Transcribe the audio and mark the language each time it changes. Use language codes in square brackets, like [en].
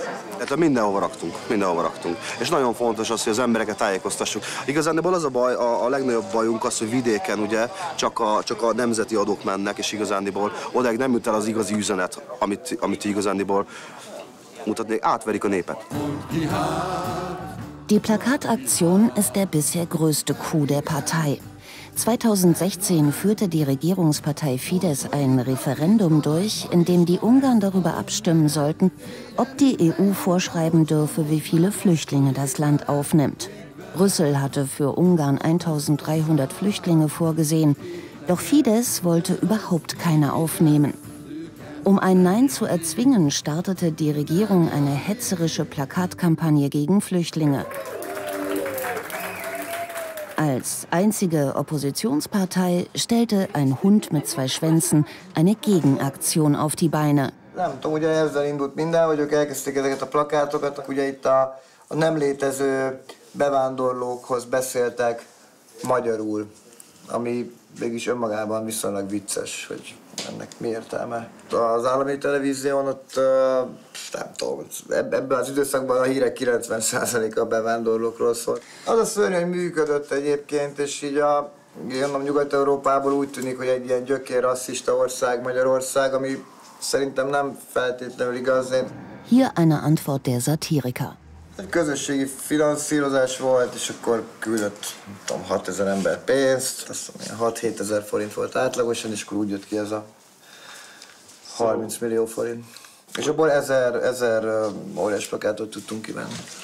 [hu] Tehát mindenhova raktunk. És nagyon fontos az, hogy az embereket tájékoztassuk. Igazából az a baj, a legnagyobb bajunk az, hogy vidéken ugye csak a nemzeti adók mennek, és igazándiból odáig nem jut el az igazi üzenet, amit igazándiból mutatnék. Átverik a népet. [de] Die Plakataktion ist der bisher größte Coup der Partei. 2016 führte die Regierungspartei Fidesz ein Referendum durch, in dem die Ungarn darüber abstimmen sollten, ob die EU vorschreiben dürfe, wie viele Flüchtlinge das Land aufnimmt. Brüssel hatte für Ungarn 1.300 Flüchtlinge vorgesehen, doch Fidesz wollte überhaupt keine aufnehmen. Um ein Nein zu erzwingen, startete die Regierung eine hetzerische Plakatkampagne gegen Flüchtlinge. Als einzige Oppositionspartei stellte ein Hund mit zwei Schwänzen eine Gegenaktion auf die Beine. [hu] Nem tudom, ugye ezzel indult minden, hogy ők elkezdték ezeket a plakátokat, ugye itt a nem létező bevándorlókhoz beszéltek magyarul, ami mégis önmagában viszonylag vicces, hogy ennek mi értelme. Az állami televízión ott, nem tudom, ebben az időszakban a hírek 90%-a a bevándorlókról szólt. Az a szörnyű, hogy működött egyébként, és így a Nyugat-Európából úgy tűnik, hogy egy ilyen gyökér rasszista ország Magyarország, ami szerintem nem feltétlenül igaz. [de] Hier eine Antwort der Satiriker. [hu] Egy közösségi finanszírozás volt, és akkor küldött, nem tudom, 6000 ember pénzt, azt mondom, 6-7000 forint volt átlagosan, és akkor úgy jött ki ez a 30 millió forint. És abból 1000 óriás plakátot tudtunk kivenni.